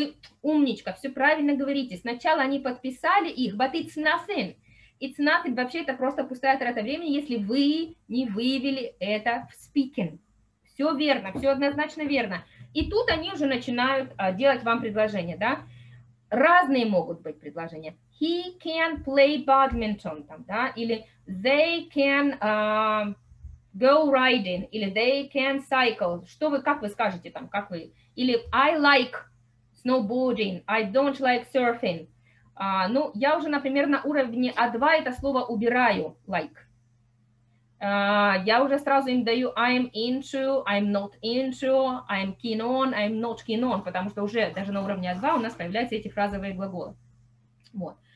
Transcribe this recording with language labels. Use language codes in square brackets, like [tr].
[ru] Вы умничка, все правильно говорите. Сначала они подписали их, [en] but it's nothing. It's nothing, [ru] вообще это просто пустая трата времени, если вы не выявили это в speaking. Все верно, все однозначно верно. И тут они уже начинают делать вам предложения, да. Разные могут быть предложения. [en] He can play badminton, там, да, или they can go riding, или they can cycle. [ru] Что вы, как вы скажете там, как вы? [en] Или I like snowboarding, I don't like surfing. [ru] Ну, я уже, например, на уровне А2 это слово убираю, like. Я уже сразу им даю [en] I'm into, I'm not into, I'm keen on, [ru] I'm not keen on, потому что уже даже на уровне А2 у нас появляются эти фразовые глаголы. Вот.